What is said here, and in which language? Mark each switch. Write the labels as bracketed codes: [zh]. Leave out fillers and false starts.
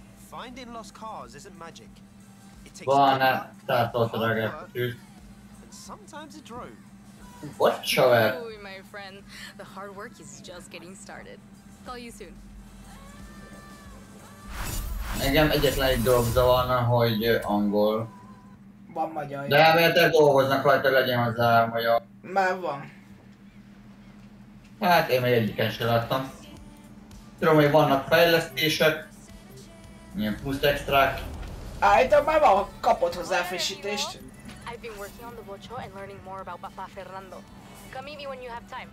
[en] Finding lost cars isn't magic. It takes a and sometimes a drone. What child? Oh, my friend, the hard work is just getting started. Call you soon. [hu] Engem egyetlen egy dolog zavarna, hogy angol. Van magyar. De elméletileg dolgoznak rajta, legyen hozzá magyar. Már van. Hát én még egyiken sem láttam. Tudom, hogy vannak fejlesztések. Milyen plusz extrák. Állítom, már van, kapott hozzá frissítést. [en] I've been working on the Bocho and learning more about Papa Fernando. Come meet me when you have time.